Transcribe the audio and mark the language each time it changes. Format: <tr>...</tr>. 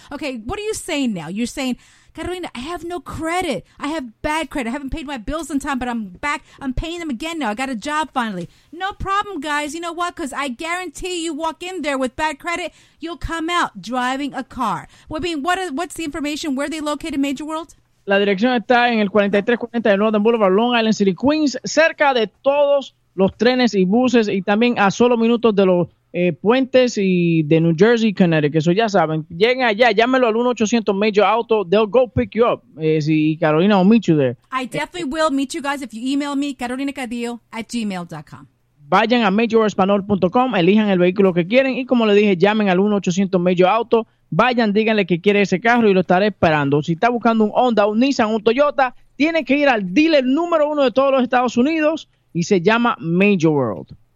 <en>Okay, what are you saying now? You're saying, Carolina, I have no credit. I have bad credit. I haven't paid my bills on time, but I'm back. I'm paying them again now. I got a job finally. No problem, guys. You know what? Because I guarantee you walk in there with bad credit, you'll come out driving a car. Well, I mean, what's the information? Where are they located, Major World?</en> <es>La dirección está en el 4340 de Northern Boulevard, Long Island City, Queens, cerca de todos los trenes y buses y también a solo minutos de los puentes y de New Jersey, Connecticut. Eso ya saben. Lleguen allá, llámelo al 1-800-MAJOR-AUTO.</es> <en>They'll go pick you up. Si Carolina will meet you there. I definitely will meet you guys if you email me, carolinacadillo@gmail.com.</en> <es>Vayan a majorespanol.com, elijan el vehículo que quieren y como le dije, llamen al 1-800-MAJOR-AUTO. Vayan, díganle que quiere ese carro y lo estaré esperando. Si está buscando un Honda, un Nissan, un Toyota, tiene que ir al dealer número uno de todos los Estados Unidos y se llama Major World.</es>